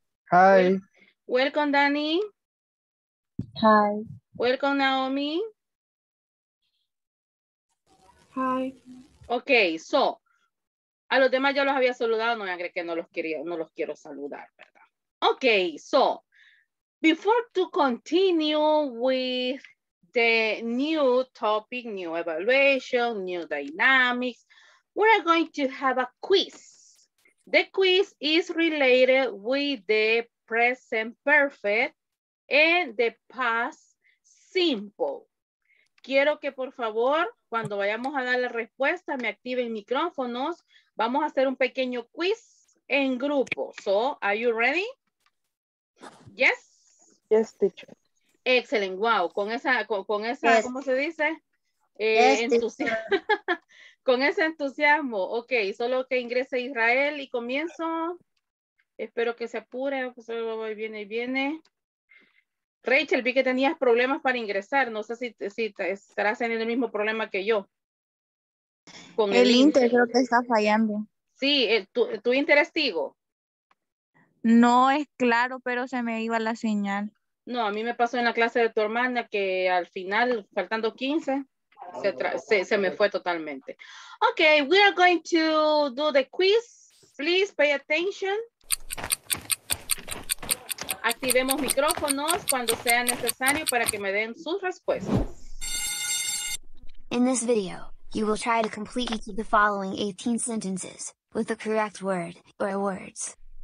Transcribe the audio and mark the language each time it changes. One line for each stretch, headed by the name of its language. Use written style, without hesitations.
English: Hi. Welcome, Dani. Hi. Welcome, Naomi. Hi. Ok, so.
Spanish: A los demás ya los había saludado, no me agregué que no los quiero saludar, ¿verdad?
English: Ok, so, before to continue with the new topic, new evaluation, new dynamics, we are going to have a quiz. The quiz is related with the present perfect and the past simple.
Spanish: Quiero que, por favor, cuando vayamos a dar la respuesta, me activen micrófonos. Vamos a hacer un pequeño quiz en grupo.
English: So, are you ready? Yes. Yes, teacher. Excellent. Wow.
Spanish: Con esa, yes. ¿Cómo se dice?
English: Yes,
Spanish: entusiasmo. Con ese entusiasmo. Ok, solo que ingrese Israel y comienzo. Espero que se apure. Viene. Rachel, vi que tenías problemas para ingresar. No sé si estarás teniendo el mismo problema que yo. Con el Inter creo que está fallando. Sí, ¿tu Inter es Tigo? No, es Claro, pero se me iba la señal. No, a mí me pasó en la clase de tu hermana que al final, faltando 15, se me fue totalmente.
English: Ok, we are going to do the quiz. Please pay attention.
Spanish: Activemos micrófonos cuando sea necesario para que me den sus respuestas.
English: In this video, you will try to complete each of the following 18 sentences with the correct word or words.